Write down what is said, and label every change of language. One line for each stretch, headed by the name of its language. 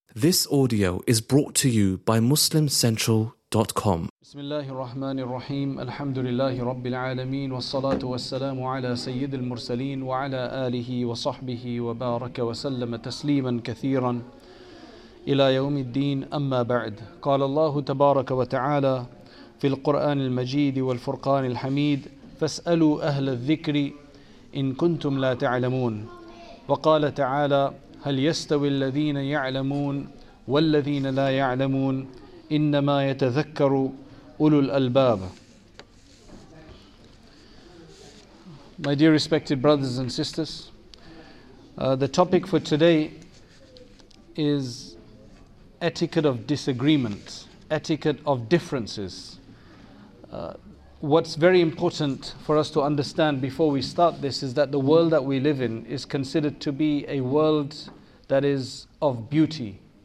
English: This audio is brought to you by MuslimCentral.com.
Arabic: بسم الله الرحمن الرحيم الحمد لله رب العالمين والصلاة والسلام على سيد المرسلين وعلى آله وصحبه وبارك وسلم تسليما كثيرا إلى يوم الدين أما بعد قال الله تبارك وتعالى في القرآن المجيد والفرقان الحميد فاسألوا أهل الذكر إن كنتم لا تعلمون وقال تعالى هل يستوي الذين يعلمون والذين لا يعلمون إنما يتذكر أولو الألباب.
English: My dear respected brothers and sisters, the topic for today is etiquette of disagreement, etiquette of differences. What's very important for us to understand before we start this is that the world that we live in is considered to be a world that is of beauty.